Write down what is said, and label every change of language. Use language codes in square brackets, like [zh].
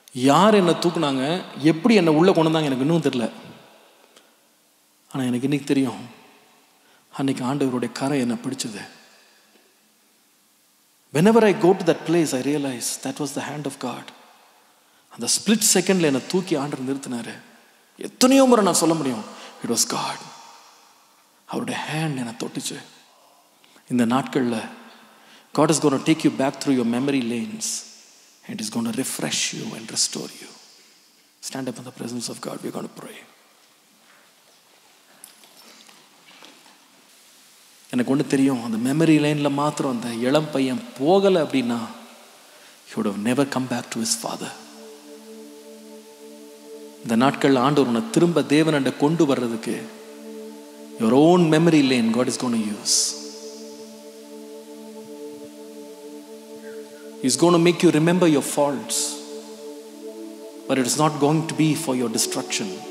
[ta] யார் என்னை தூக்குனாங்க, எப்படி என்னை உள்ளே கொண்டாங்க எனக்கு இன்னும் தெரில. ஆனால் எனக்கு இன்றைக்கி தெரியும், அன்றைக்கி ஆண்டவருடைய கரை என்னை பிடிச்சது. [en] Whenever I go to that place I realise that was the hand of God. [ta] அந்த ஸ்பிளிட் செகண்டில் என்னை தூக்கி ஆண்டவர் நிறுத்தினார். எத்தனையோ முறை நான் சொல்ல முடியும், [en] it was God, [ta] அவருடைய ஹேண்ட் என்னை தொட்டுச்சு. இந்த நாட்களில் [en] God is going to take you back through your memory lanes and is going to refresh you and restore you. Stand up in the presence of God. We are going to pray. [ta] எனக்கு ஒன்று தெரியும், அந்த memory லைனில் மாத்திரம் அந்த இளம் பையன் போகலை அப்படின்னா [en] he would have never come back to his father. [ta] இந்த நாட்கள் ஆண்டவர் உன்னை திரும்ப தேவனண்ட கொண்டு வர்றதுக்கு [en] your own memory lane God is going to use. He's going to make you remember your faults, but it is not going to be for your destruction.